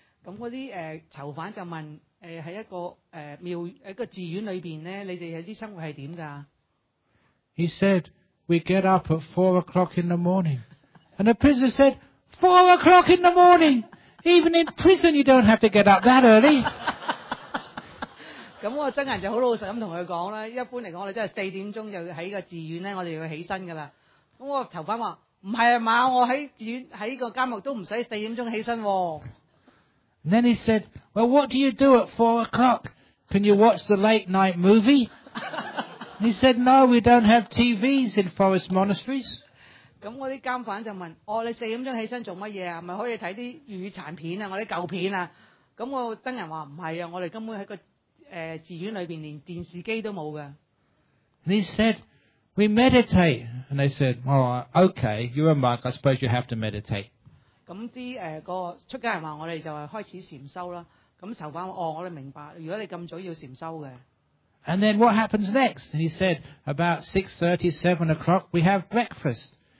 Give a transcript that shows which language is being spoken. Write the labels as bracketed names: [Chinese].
[Cantonese] 咁嗰啲囚犯就問：喺一個廟一個寺院裏邊咧，你哋有啲生活係點 [English] 㗎 ？He said. We get up at 4 o'clock in the morning. And the prisoner said, 4 o'clock in the morning? Even in prison, you don't have to get up that early. [Cantonese] 咁我僧人就好老实咁同佢讲啦。一般嚟讲，我哋都系4点钟就喺个寺院咧，我哋要起身噶啦。咁我囚犯话：唔系啊嘛，我喺寺院喺个监狱都唔使4点钟起身。 [English] And then he said, "Well, what do you do at 4 o'clock? Can you watch the late night movie?" He said, "No, we don't have TVs in forest monasteries." [Cantonese] 咁我啲監犯就問：哦，你4点钟起身做乜嘢啊？咪可以睇啲粵語殘片啊，我啲舊片啊？咁我僧人話：唔係啊，我哋根本喺個寺院裏邊連電視機都冇嘅。 [English] He said, "We meditate." And they said, "Oh, okay, you're a monk. I suppose you have to meditate." [Cantonese] 咁啲個出家人話：我哋就係開始禪修啦。咁囚犯話：哦，我哋明白。如果你咁早要禪修嘅。 [English] And then what happens next? And he said, "About 6:30, 7 o'clock, we have breakfast.